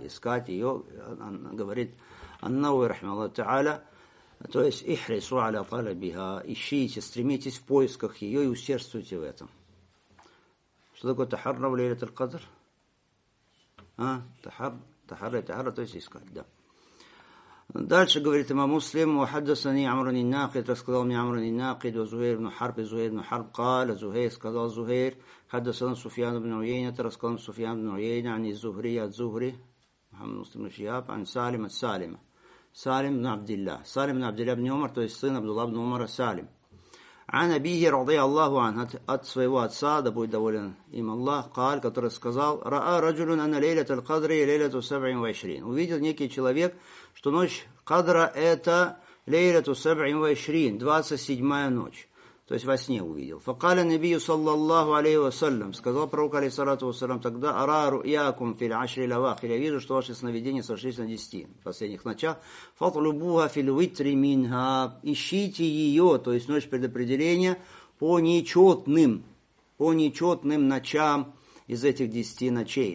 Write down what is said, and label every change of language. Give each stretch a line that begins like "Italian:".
Russian: Искать ее, она говорит, аннау
Arabic: рахима Аллаху тааля,
Russian: то есть
Arabic: ихрису аля талабиха,
Russian: ищите, стремитесь в поисках ее и усердствуйте в этом. Что такое тахарру лейлат аль-кадр? А? Тахарра, то есть искать, да.
Arabic: Дальше говорит имам Муслим, وحدثني عمرو بن ناقد,
Russian: рассказал мне
Arabic: عمرو بن ناقد, وزهير بن حرب, زهير بن حرب قال, زهير
Russian: сказал,
Arabic: زهير, حدثنا سفيان بن عيينة, рассказал мне سفيان بن عيينة, عن الزهري, от زهري, محمد مسلم بن شهاب, عن سالم, от سالم, سالم بن عبد الله, سالم بن عبد الله بن عمر,
Russian: то есть сын Абдулла ибн Умара,
Arabic: سالم, عن أبيه رضي الله عنه,
Russian: от своего отца, да будет доволен им Аллах, قال, который сказал,
Arabic: رأى رجل أن ليلة القدر هي ليلة 27,
Russian: увидел некий человек, что ночь кадра – это
Arabic: лейлату саб'ин ва иширин,
Russian: 27-я ночь. То есть во сне увидел.
Arabic: Факаля набию саллаллаху алейхи ва саллям,
Russian: сказал пророк алейхи саллату ва саллям, тогда
Arabic: арару якум фил ашри лавах,
Russian: или я вижу, что ваши сновидения сошлись на 10 последних ночах.
Arabic: Фатлубуха фил витри минга,
Russian: ищите ее, то есть ночь предопределения, по нечетным ночам из этих 10 ночей.